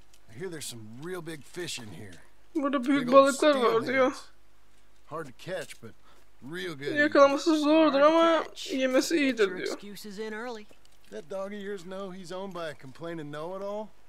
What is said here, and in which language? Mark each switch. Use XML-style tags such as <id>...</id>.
<en>I hear there's some real big fish in here.</en> <tr>Burada büyük balıklar var diyor.</tr> <en>Hard to catch, but real good.</en> <tr>Yakalaması zordur ama yemesi iyidir diyor.</tr> <en>That dog of yours know he's owned by a complaining know-it-all?</en>